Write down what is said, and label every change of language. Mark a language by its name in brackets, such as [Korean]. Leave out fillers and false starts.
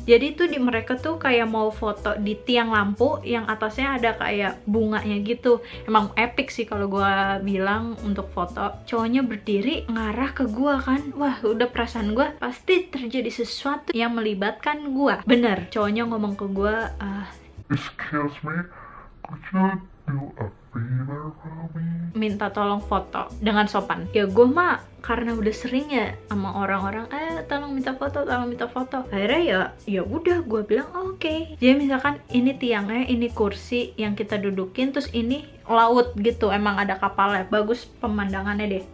[Indonesian] Jadi tuh di mereka tuh kayak mau foto di tiang lampu yang atasnya ada kayak bunganya gitu. Emang epic sih kalau gua bilang untuk foto. Cowoknya berdiri ngarah ke gua kan. Wah, udah perasaan gua pasti terjadi sesuatu yang melibatkan gua. Bener, cowoknya ngomong ke gua, [English] "Excuse me, could you do a favor for me?" [Indonesian] Minta tolong foto dengan sopan. Ya gua mah karena udah sering ya sama orang-orang, tolong minta foto. Akhirnya ya udah gue bilang oke. Okay. Jadi misalkan ini tiangnya, ini kursi yang kita dudukin, terus ini laut gitu, emang ada kapalnya, bagus pemandangannya deh.